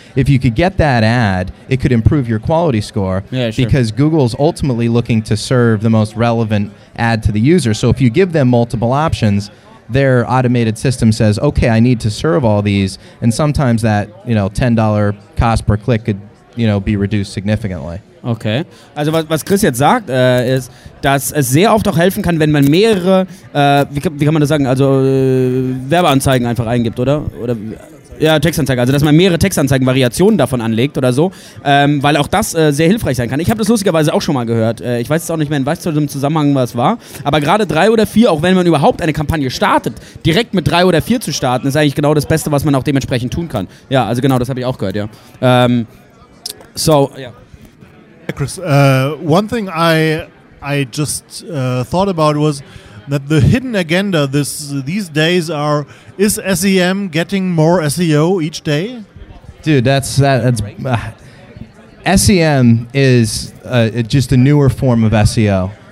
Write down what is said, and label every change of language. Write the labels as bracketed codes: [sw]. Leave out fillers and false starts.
[en] If you could get that ad, it could improve your quality score because Google's ultimately looking to serve the most relevant ad to the user. So if you give them multiple options, their automated system says, okay, I need to serve all these. And sometimes that, you know, $10 cost per click could, you know, be reduced significantly. Okay. [de] Also was Chris jetzt sagt, ist, dass es sehr oft auch helfen kann, wenn man mehrere, wie kann man das sagen, also Werbeanzeigen einfach eingibt, oder? Oder ja, Textanzeigen, also dass man mehrere Textanzeigen, Variationen davon anlegt oder so, weil auch das sehr hilfreich sein kann. Ich habe das lustigerweise auch schon mal gehört. Ich weiß es auch nicht mehr, in welchem Zusammenhang was war. Aber gerade drei oder vier, auch wenn man überhaupt eine Kampagne startet, direkt mit drei oder vier zu starten, ist eigentlich genau das Beste, was man auch dementsprechend tun kann. Ja, also genau, das habe ich auch gehört, ja. [en] Chris, one thing I just thought about was that the hidden agenda these days is SEM getting more SEO each day? Dude, that's SEM is just a newer form of SEO.